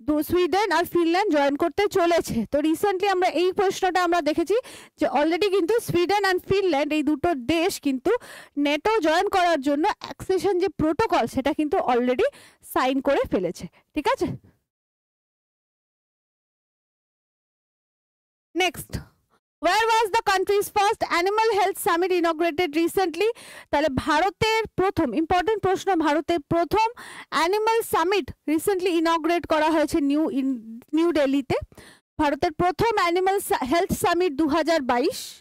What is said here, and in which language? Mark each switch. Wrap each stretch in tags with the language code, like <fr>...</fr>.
<bn>Sweden আর Finland join করতে চলেছে, তো রিসেন্টলি আমরা এই প্রশ্নটা আমরা দেখেছি যে অলরেডি কিন্তু সুইডেন অ্যান্ড ফিনল্যান্ড এই দুটো দেশ কিন্তু ন্যাটো জয়েন করার জন্য অ্যাক্সেশন যে প্রোটোকল সেটা কিন্তু অলরেডি সাইন করে ফেলেছে, ঠিক আছে। Next,</bn> <en>Where was the country's first animal health summit inaugurated recently?</en> <bn>তাহলে ভারতের প্রথম ইম্পর্টেন্ট প্রশ্ন, ভারতের প্রথম অ্যানিমাল সামিট রিসেন্টলি ইনগ্রেট করা হয়েছে নিউ দিল্লিতে। ভারতের প্রথম অ্যানিমাল হেলথ সামিট 2022।</bn>